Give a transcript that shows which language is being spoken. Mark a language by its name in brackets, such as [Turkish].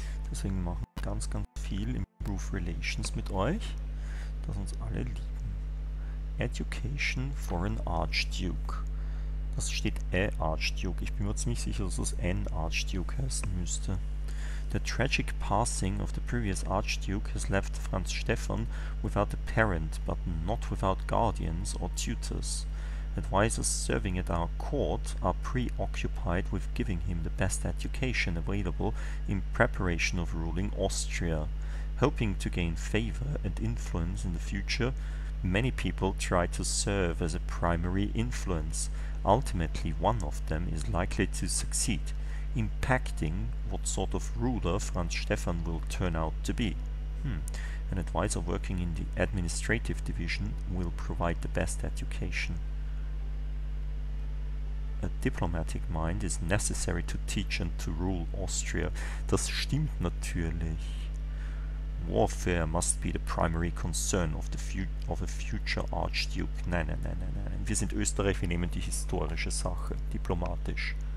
[German] Deswegen machen wir ganz, ganz viel Improve Relations mit euch. Das uns alle lieben. [English] Education for an Archduke. [German] Das steht A Archduke. Ich bin mir ziemlich sicher, dass das N Archduke heißen müsste. [English] The tragic passing of the previous Archduke has left Franz Stefan without a parent, but not without guardians or tutors. Advisors serving at our court are preoccupied with giving him the best education available in preparation of ruling Austria. Hoping to gain favor and influence in the future, many people try to serve as a primary influence. Ultimately, one of them is likely to succeed, impacting what sort of ruler Franz Stefan will turn out to be. An advisor working in the administrative division will provide the best education. A diplomatic mind is necessary to teach and to rule Austria. [German] Das stimmt natürlich. [English] Warfare must be the primary concern of the future Archduke. [German] Nein. Wir sind Österreich, wir nehmen die historische Sache, diplomatisch.